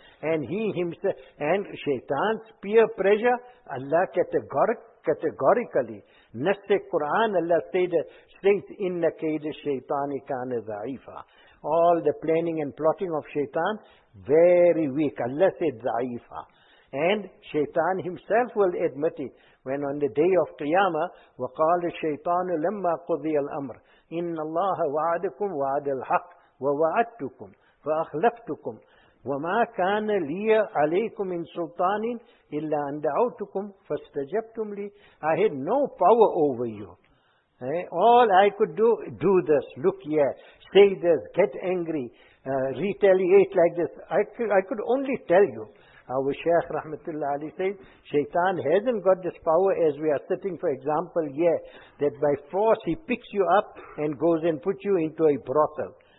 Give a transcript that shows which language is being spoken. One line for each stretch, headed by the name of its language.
English: And he himself, and Shaitan's peer pressure, Allah categorically, Nasr Quran, Allah states,
Arabic: Inna kaida shaitani kana za'ifa.
English: All the planning and plotting of Shaitan, very weak. Allah said za'ifa. And Shaitan himself will admit it. When on the day of Qiyamah,
Arabic: وَقَالَ الشَّيْطَانُ لَمَّا قُضِيَ الْأَمْرِ إِنَّ اللَّهَ وَعَدَكُمْ وَعَدَ الْحَقِّ وَوَعَدْتُكُمْ فَأَخْلَفْتُكُمْ وَمَا كَانَ لِيَ عَلَيْكُمْ مِنْ سُلْطَانٍ إِلَّا أَنْ دَعَوْتُكُمْ فَاسْتَجَبْتُمْ لِي.
English: I had no power over you. All I could do this, look here, say this, get angry, retaliate like this. I could only tell you. Our Shaykh Rahmatullah Ali says, Shaitan hasn't got this power as we are sitting, for example, here, that by force he picks you up and goes and puts you into a brothel.